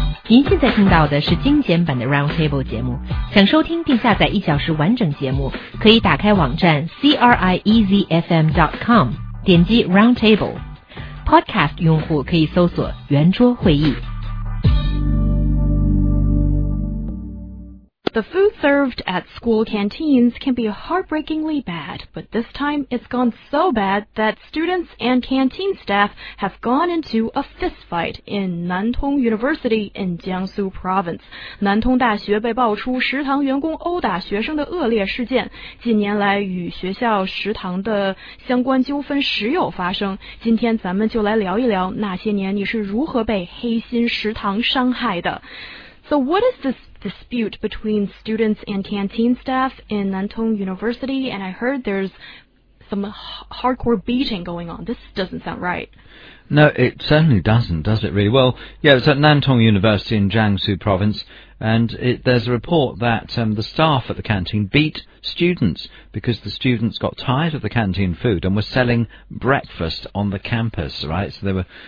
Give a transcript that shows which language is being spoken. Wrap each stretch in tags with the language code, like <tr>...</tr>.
<zh>您现在听到的是精简版的 Roundtable 节目，想收听并下载一小时完整节目，可以打开网站 CRIEZFM.com， 点击 Roundtable。 Podcast 用户可以搜索圆桌会议。</zh> <en>The food served at school canteens can be heartbreakingly bad, but this time it's gone so bad that students and canteen staff have gone into a fistfight in Nantong University in Jiangsu Province.</en> <zh>南通大学被爆出食堂员工殴打学生的恶劣事件，近年来与学校食堂的相关纠纷时有发生。今天咱们就来聊一聊那些年你是如何被黑心食堂伤害的。</zh> <en>So what is this dispute between students and canteen staff in Nantong University? And I heard there's some hardcore beating going on. This doesn't sound right. No, it certainly doesn't, does it really? Well, yeah, it's at Nantong University in Jiangsu Province, and there's a report that the staff at the canteen beat students because the students got tired of the canteen food and were selling breakfast on the campus, right? So they were...</en>